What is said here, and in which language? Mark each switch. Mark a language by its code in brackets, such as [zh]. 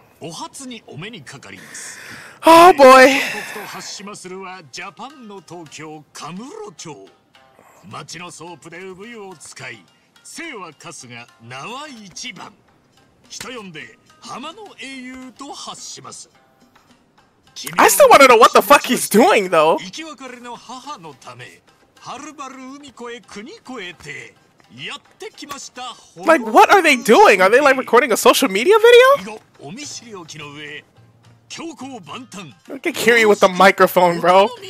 [ja] お初にお目にかかります。 [en] Oh boy. [ja] 僕と発しまするはジャパンの東京カムロ町。町のソープで産湯を使い、姓は春日、名は一番。人呼んで浜の英雄と発します。 [en] I still want to know what the fuck he's doing though. [ja] 生き別れの母のため、はるばる海越え国越えて、やってきました。 [en] Like what are they doing? Are they like recording a social media video? [ja] お見知りおきの上。強行万端。 [en] I can hear you with the microphone, bro.